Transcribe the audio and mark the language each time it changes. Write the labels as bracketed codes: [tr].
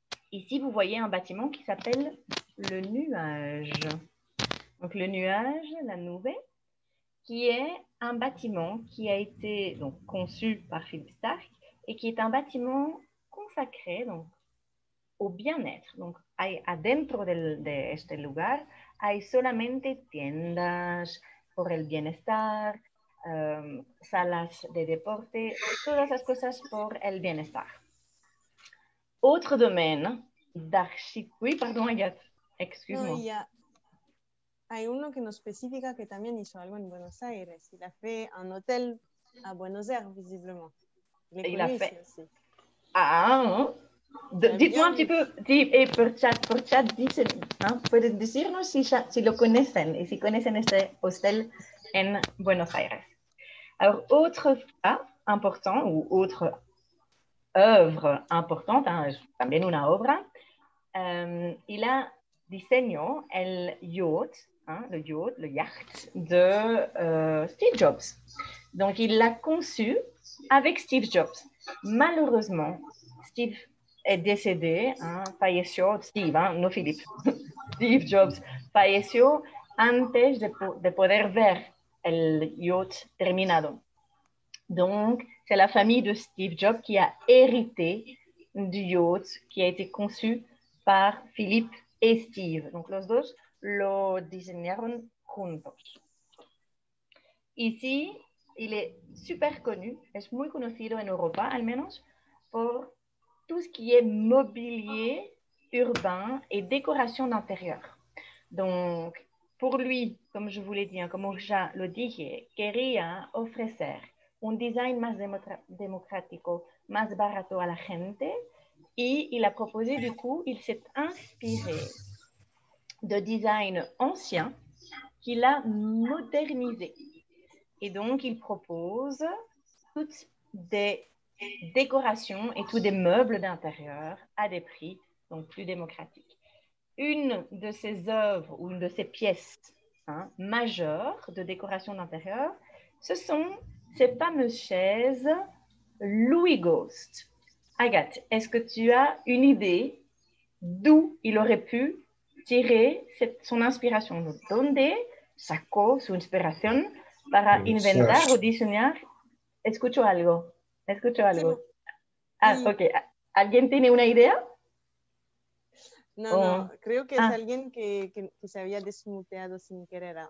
[fr] Ici, vous voyez un bâtiment qui s'appelle le nuage. Donc, le nuage, la nube, qui est un bâtiment qui a été donc, conçu par Philip Stark et qui est un bâtiment consacré donc, au bien-être. [es] Donc, hay adentro de este lugar hay solamente tiendas por el bienestar, salas de deporte, todas las cosas por el bienestar. [fr] Autre domaine d'architecture. Oui, pardon, Agathe, excuse-moi. [en] Oh, yeah. [es] Hay uno que nos especifica que también hizo algo en Buenos Aires. [fr] Il a fait un hôtel à Buenos Aires, visiblement. Il a fait. Ah, non. Dites-moi un petit peu. Et pour [es] chat, pueden decirnos si lo conocen y si conocen este hostel en Buenos Aires. [fr] Alors, autre cas important ou autre œuvre importante, hein, [es] también una obra, [fr] il a [es] diseñó el yacht. [fr] Hein, le yacht de Steve Jobs. Donc, il l'a conçu avec Steve Jobs. Malheureusement, Steve est décédé, [es] hein, falleció, Steve, hein, non Philippe, Steve Jobs, falleció antes de poder ver el yacht terminado. [fr] Donc, c'est la famille de Steve Jobs qui a hérité du yacht qui a été conçu par Philippe et Steve. [es] Donc, los dos lo diseñaron juntos. [fr] Ici, il est super connu, [es] es muy conocido en Europa, al menos, por [fr] tout ce qui est mobilier urbain et décoration d'intérieur. [es] Donc, [fr] pour lui, comme je vous l'ai dit, [es] comme ya lo dije, quería ofrecer un design más democrático, más barato a la gente. [fr] Y il a proposé, du coup, il s'est inspiré de design ancien qu'il a modernisé. Et donc, il propose toutes des décorations et tous des meubles d'intérieur à des prix donc plus démocratiques. Une de ses œuvres ou une de ses pièces hein, majeures de décoration d'intérieur, ce sont ces fameuses chaises Louis Ghost. Agathe, est-ce que tu as une idée d'où il aurait pu tirer son inspiration? [es] Donde sacó su inspiración para inventar o diseñar? Escucho algo. Escucho algo. Ah, ok. ¿Alguien tiene una idea? No, oh. Creo que es alguien que se había desmuteado sin querer.